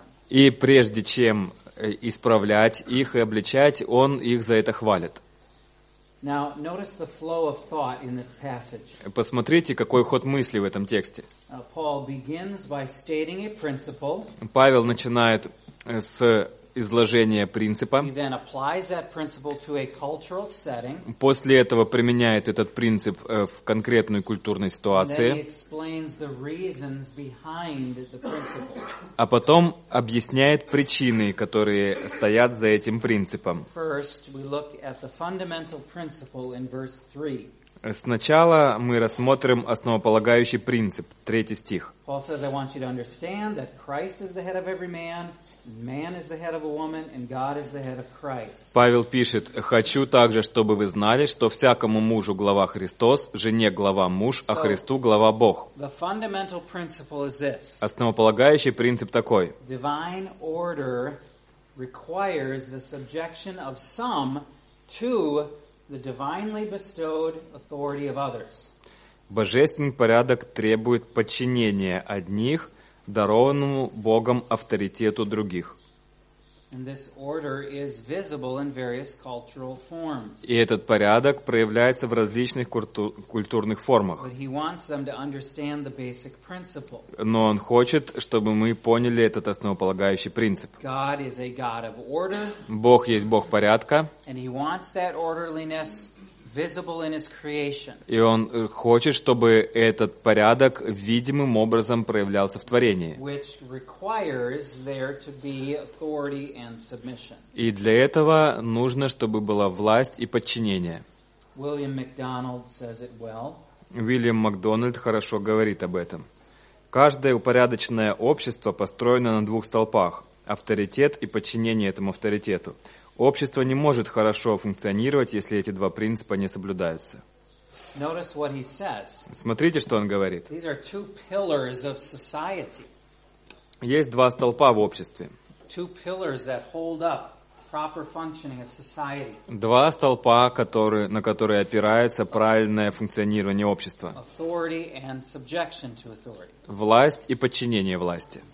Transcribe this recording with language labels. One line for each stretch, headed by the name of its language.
Russian: И прежде чем исправлять их и обличать, он их за это хвалит.
English: Now notice the flow of thought in this passage.
Russian: Посмотрите, какой ход мысли в этом тексте.
English: Paul begins by stating a principle.
Russian: Павел начинает с изложения принципа.
English: He then applies that principle to a cultural setting.
Russian: После этого применяет этот принцип в конкретной культурной ситуации.
English: And then he explains the reasons behind the principle.
Russian: А потом объясняет причины, которые стоят за этим принципом.
English: First, we look at the fundamental principle in verse 3.
Russian: Сначала мы рассмотрим основополагающий принцип, третий стих.
English: Paul says, I want you to understand that Christ is the head of every man, man is the head of a woman, and God is the head of Christ.
Russian: Павел пишет, хочу также, чтобы вы знали, что всякому мужу глава Христос, жене глава муж, а Христу глава Бог.
English: The fundamental principle is this.
Russian: Основополагающий принцип такой.
English: Divine order requires the subjection of some to the divinely bestowed authority of others.
Russian: Божественный порядок требует подчинения одних дарованному Богом авторитету других.
English: And this order is visible in various cultural forms.
Russian: И этот порядок проявляется в различных культурных формах.
English: But he wants them to understand the basic principle.
Russian: Но он хочет, чтобы мы поняли этот основополагающий принцип.
English: God is a God of order.
Russian: Бог есть Бог порядка.
English: And he wants that orderliness visible in his creation.
Russian: И он хочет, чтобы этот порядок видимым образом проявлялся в творении.
English: Which requires there to be authority and submission.
Russian: И для этого нужно, чтобы была власть и подчинение.
English: William MacDonald says it well.
Russian: Уильям Макдональд хорошо говорит об этом. Каждое упорядоченное общество построено на двух столпах: авторитет и подчинение этому авторитету. Общество не может хорошо функционировать, если эти два принципа не соблюдаются.
English: Notice what he says.
Russian: Смотрите, что он говорит.
English: These are two pillars of society.
Russian: Есть два столпа в обществе.
English: Two pillars that hold up proper functioning of society.
Russian: Два столпа, на которые опирается правильное функционирование общества.
English: Authority and subjection to authority.
Russian: Власть и подчинение власти.